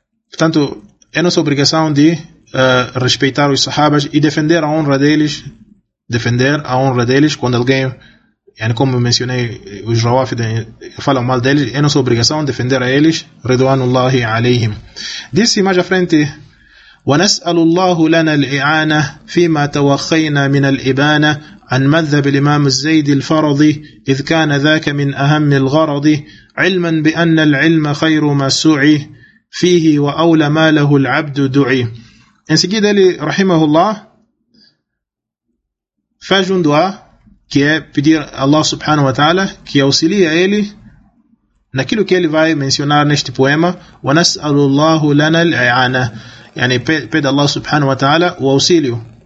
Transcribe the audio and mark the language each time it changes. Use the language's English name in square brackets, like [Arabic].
[Portuguese] Portanto, é nossa obrigação de respeitar os sahabas e defender a honra deles. Defender a honra deles quando alguém, yani, como eu mencionei, os rawafid falam mal deles, é nossa obrigação defender a eles, ridwanullahi alayhim. Disse mais à frente: [Arabic] ونسأل الله لنا الإعانة فيما توخينا من الإبانة عن مذهب الإمام الزيد الفرضي إذ كان ذاك من أهم الغرض علما بأن العلم خير ما سعي فيه وأولى ما له العبد دعي. [Portuguese] En seguida ele, rahimahullah, faz um dua, que é pedir a Allah subhanahu wa ta'ala que auxilie a ele naquilo que ele vai mencionar neste poema. [Arabic] وَنَسْأَلُ اللَّهُ لَنَا الْعِعَانَةِ, [Portuguese] yani, pede Allah subhanahu wa ta'ala o auxílio.